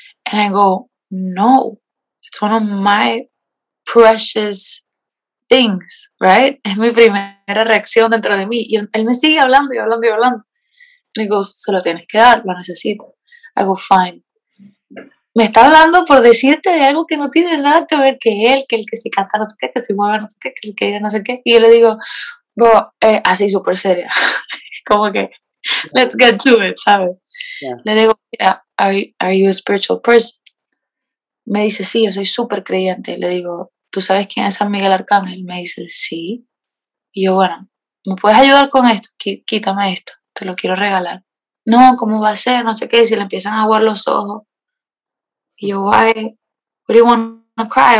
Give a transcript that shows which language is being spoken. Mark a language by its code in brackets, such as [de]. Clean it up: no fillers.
[en] And I go, no, it's one of my precious things, right? [es] Es mi primera reacción dentro de mí. Y él me sigue hablando y hablando y hablando. [en] And he goes, [es] se lo tienes que dar, lo necesito. [en] I go, fine. [es] Me está hablando por decirte de algo que no tiene nada que ver que él que si canta no sé qué, que si mueve no sé qué, que el que diga no sé qué. Y yo le digo, bro, así súper seria. Como que, [en] let's get to it, [es] ¿sabes? Yeah. Le digo, [en] yeah, are you a spiritual person? [es] Me dice, sí, yo soy súper creyente. Le digo, ¿tú sabes quién es San Miguel Arcángel? Me dice, sí. Y yo, bueno, ¿me puedes ayudar con esto? Quítame esto, te lo quiero regalar. No, ¿cómo va a ser? No sé qué. Si le empiezan a aguar los ojos. Y yo, why? [en] What do you want to cry?